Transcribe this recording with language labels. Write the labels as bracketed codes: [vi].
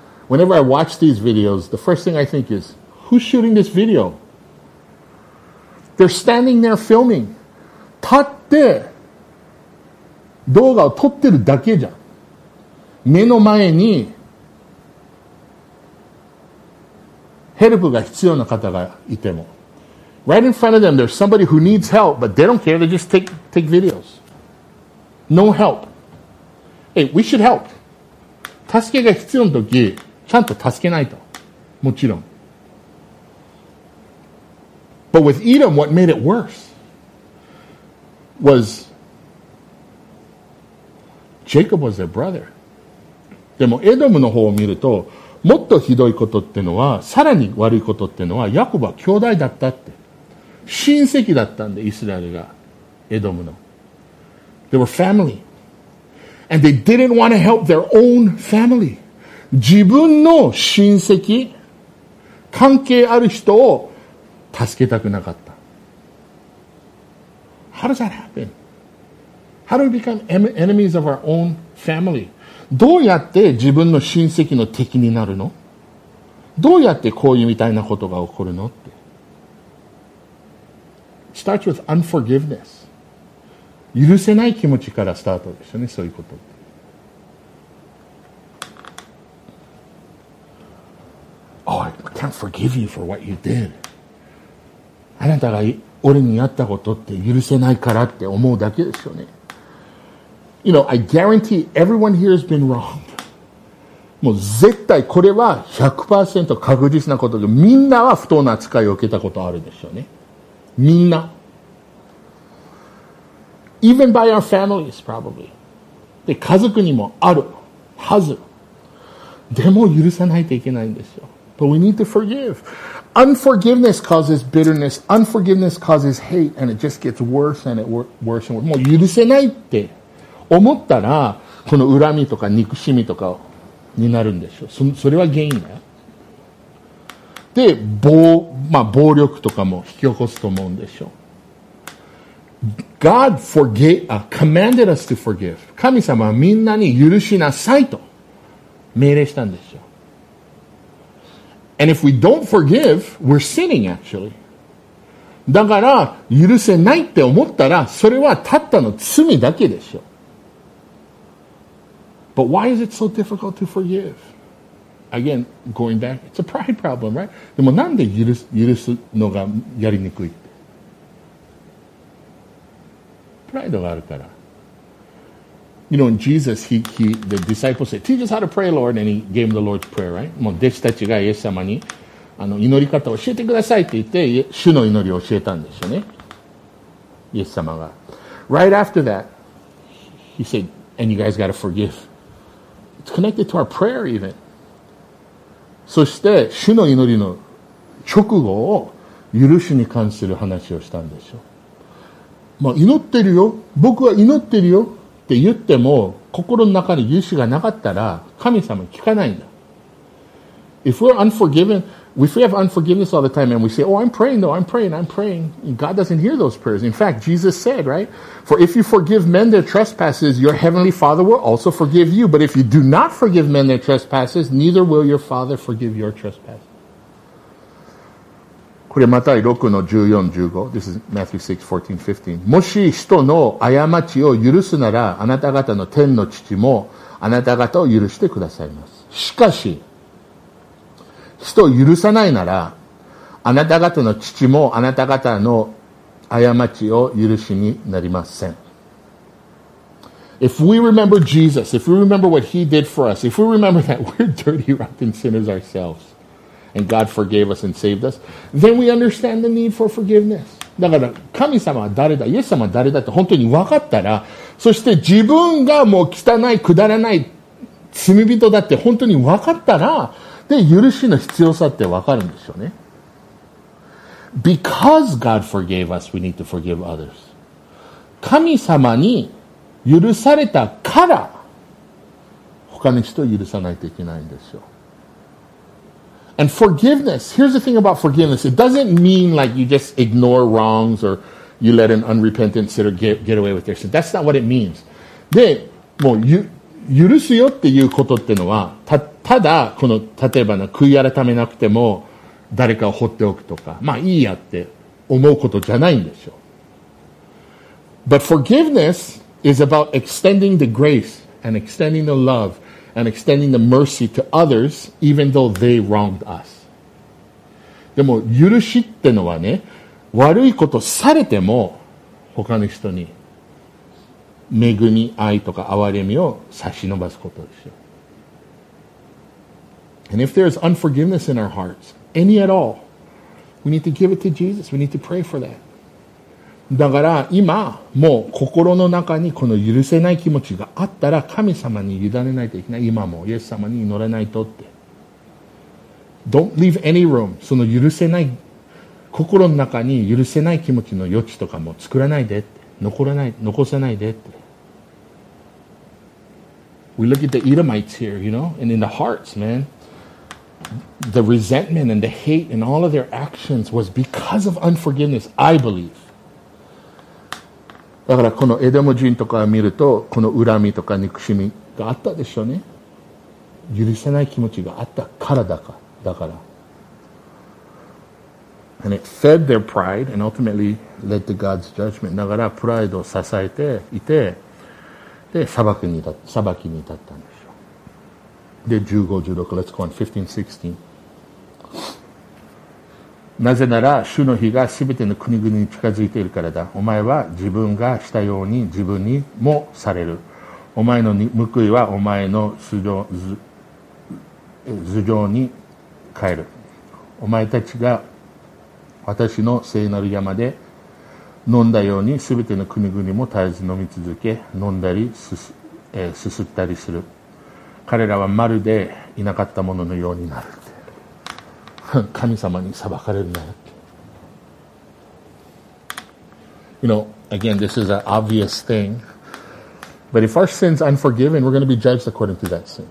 [en] Whenever I watch these videos, the first thing I think is, who's shooting this video? They're standing there filming. [ja] 立って動画を撮ってるだけじゃん。目の前にヘルプが必要な方がいても。 [en] Right in front of them, there's somebody who needs help, but they don't care, they just take videos. No help. Hey, we should help. [ja] 助けが必要な時、ちゃんと助けないと。もちろん。 [en] But with Edom, what made it worse was Jacob was their brother. [ja] でも、エドムの方を見ると、もっとひどいことっていうのは、さらに悪いことっていうのは、ヤコブは兄弟だったって。親戚だったんで、イスラエルが。エドムの。 [en] They were family. And they didn't want to help their own family. [ja] 自分の親戚、関係ある人を助けたくなかった。 [en] How does that happen? How do we become enemies of our own family? [ja] どうやって自分の親戚の敵になるの？どうやってこういうみたいなことが起こるのって。 [en] Starts with unforgiveness. [ja] 許せない気持ちからスタートですよね、そういうこと。 [en] Oh, I can't forgive you for what you did. [ja] あなたが俺にやったことって許せないからって思うだけですよね。 [en] You know, I guarantee everyone here has been wronged. [ja] もう絶対これは 100% 確実なことで、みんなは不当な扱いを受けたことあるでしょうね。みんな。 [en] Even by our families, probably. [ja] で、家族にもあるはず。でも許さないといけないんですよ。 [en] But we need to forgive. Unforgiveness causes bitterness. Unforgiveness causes hate. And it just gets worse and it worse and worse. [ja] もう許せないって。思ったら、この恨みとか憎しみとかになるんでしょう。それは原因だよ。で、暴力とかも引き起こすと思うんでしょう。 [en] God commanded us to forgive. [ja] 神様はみんなに許しなさいと命令したんでしょう。 [en] And if we don't forgive, we're sinning actually. [ja] だから、許せないって思ったら、それはたったの罪だけでしょう。 [en] But why is it so difficult to forgive? again, going back, it's a pride problem, right? [ja] でもなんで許すのがやりにくい？プライドがあるから。 [en] You know, Jesus, the disciples said, teach us how to pray, Lord, and he gave him the Lord's Prayer, right? [ja] もう弟子たちがイエス様に祈り方を教えてくださいって言って、主の祈りを教えたんですよね。イエス様が。 [en] Right after that, he said, and you guys got to forgive. It's connected to our prayer even. [ja] そして、主の祈りの直後を許しに関する話をしたんですよ。まあ、祈ってるよ。僕は祈ってるよ。って言っても、心の中に許しがなかったら、神様聞かないんだ。 [en] If we're unforgiven, if we have unforgiveness all the time and we say, oh, I'm praying though, I'm praying. God doesn't hear those prayers. In fact, Jesus said, right? For if you forgive men their trespasses, your heavenly Father will also forgive you. But if you do not forgive men their trespasses, neither will your Father forgive your trespasses. [ja] これまた6の14、15。 [en] This is Matthew 6, 14, 15. [ja] もし人の過ちを許すなら、あなた方の天の父もあなた方を許してくださいます。しかし、人を許さないなら、あなた方の父もあなた方の過ちを許しになりません。 [en] If we remember Jesus, if we remember what he did for us, if we remember that we're dirty, rotten sinners ourselves, and God forgave us and saved us, then we understand the need for forgiveness. [ja] だから、神様は誰だ、イエス様は誰だって本当に分かったら、そして自分がもう汚い、くだらない罪人だって本当に分かったら、で、許しの必要さって分かるんでしょうね。 [en] Because God forgave us, we need to forgive others. [ja] 神様に許されたから、他の人を許さないといけないんですよ。 [en] And forgiveness, here's the thing about forgiveness. It doesn't mean like you just ignore wrongs or you let an unrepentant sinner get away with their sin. That's not what it means. [ja] で、もう、許すよっていうことってのは、ただ、この、例えばな、悔い改めなくても、誰かを放っておくとか、まあいいやって思うことじゃないんでしょう。 [en] But forgiveness is about extending the grace and extending the love and extending the mercy to others, even though they wronged us. [ja] でも、許しってのはね、悪いことされても、他の人に、恵み、愛とか憐れみを差し伸ばすことですよ。 [en] And if there is unforgiveness in our hearts, any at all, we need to give it to Jesus. We need to pray for that. [ja] だから今、もう心の中にこの許せない気持ちがあったら神様に委ねないといけない。今もイエス様に祈らないとって。 [en] Don't leave any room. [ja] その許せない、心の中に許せない気持ちの余地とかも作らないでって。残さないでって。 [en] We look at the Edomites here, you know, and in the hearts, man. The resentment and the hate and all of their actions was because of unforgiveness, I believe. [ja] だからこのエドム人とかを見るとこの恨みとか憎しみがあったでしょうね。許せない気持ちがあったからだから。 [en] And it fed their pride and ultimately led to God's judgment. [ja] だからプライドを支えていて、で、裁きに至ったんです。 [en] で、15、16、let's go on, 15, 16. [ja] なぜなら、主の日が全ての国々に近づいているからだ。お前は自分がしたように自分にもされる。お前の報いはお前の頭上に帰る。お前たちが私の聖なる山で飲んだように全ての国々も絶えず飲み続け、飲んだり すすったりする。彼らはまるでいなかったもののようになるって。神様に裁かれるなよって。 [en] You know, again, this is an obvious thing. But if our sin's unforgiven, we're going to be judged according to that sin.